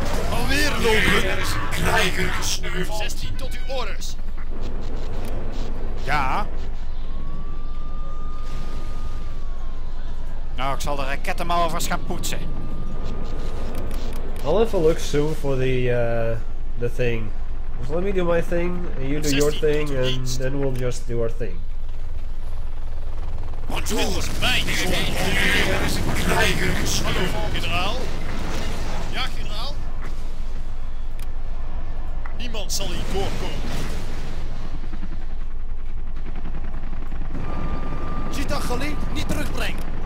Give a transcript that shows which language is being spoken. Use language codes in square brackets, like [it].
[nl] Alweer lopen. Er is een krijger gesneuveld. 16 tot uw orders. Ja. Nou, ik zal de raketten maar alvast gaan poetsen. [en] I'll have a look soon for the thing. Just let me do my thing, and you do your thing, and then we'll just do our thing. [fr] Bonjour, [nl] mijn generaal. Er is een krijger gesneuveld. Hallo, generaal. Ja, generaal. niemand zal hier doorkomen. Ziet dat geleend, niet terugbrengen.